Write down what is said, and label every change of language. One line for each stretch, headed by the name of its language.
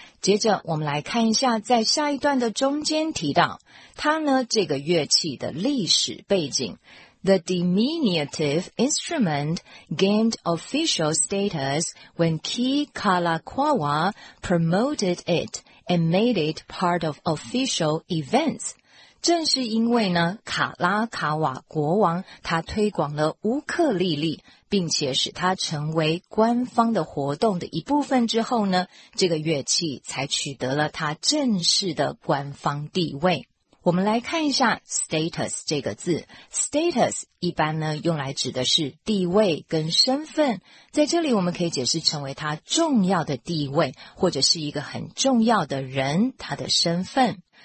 Chinese: 接着我们来看一下在下一段的中间提到它呢这个乐器的历史背景。
English: The diminutive instrument gained official status when Ki Kalakaua promoted it and made it part of official events。
Chinese: 正是因为呢卡拉卡瓦国王他推广了乌克丽丽，并且使它成为官方的活动的一部分之后呢，这个乐器才取得了它正式的官方地位。我们来看一下 status 这个字。status 一般呢用来指的是地位跟身份，在这里我们可以解释成为它重要的地位，或者是一个很重要的人他的身份。